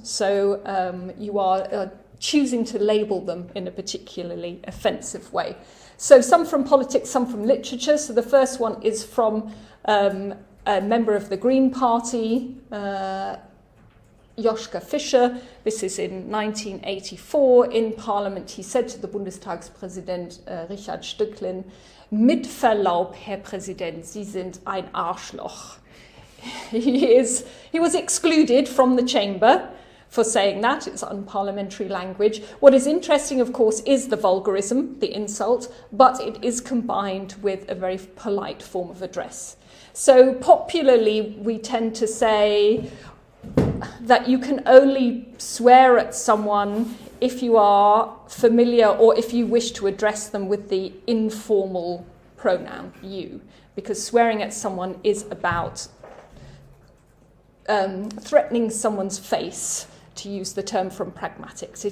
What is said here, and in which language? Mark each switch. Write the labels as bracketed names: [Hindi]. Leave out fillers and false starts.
[English] So you are choosing to label them in a particularly offensive way. So some from politics, some from literature. So the first one is from a member of the Green Party, Joschka Fischer. This is in 1984. In Parliament, he said to the Bundestagspräsident Richard Stücklen, [German] "Mit Verlaub, Herr Präsident, Sie sind ein Arschloch." [English] He was excluded from the chamber for saying that. It's unparliamentary language. What is interesting, of course, is the vulgarism, the insult, but it is combined with a very polite form of address. So popularly, we tend to say that you can only swear at someone if you are familiar or if you wish to address them with the informal pronoun you, because swearing at someone is about threatening someone's face, to use the term from pragmatics.